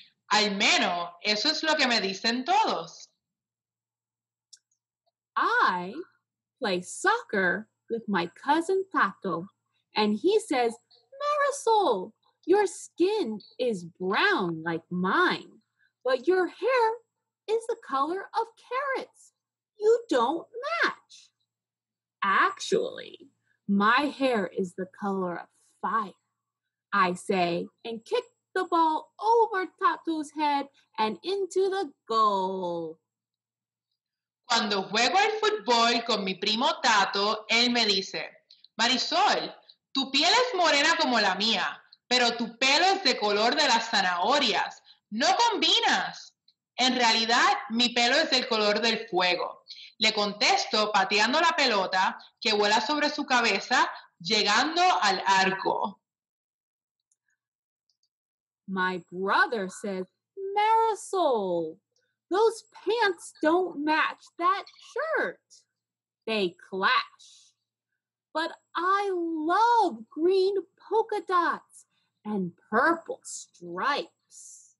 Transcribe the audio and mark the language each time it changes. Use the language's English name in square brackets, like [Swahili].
[Spanish] Al menos, eso es lo que me dicen todos. [English] I play soccer with my cousin Tato, and he says, Marisol, your skin is brown like mine, but your hair is the color of carrots. You don't match. Actually, my hair is the color of fire, I say, and kick the ball over Tato's head and into the goal. [Spanish] Cuando juego al fútbol con mi primo Tato, él me dice, Marisol, tu piel es morena como la mía, pero tu pelo es de color de las zanahorias. No combinas. En realidad, mi pelo es del color del fuego. Le contesto pateando la pelota que vuela sobre su cabeza, llegando al arco. [English] My brother says, Marisol, those pants don't match that shirt. They clash. But I love green polka dots and purple stripes.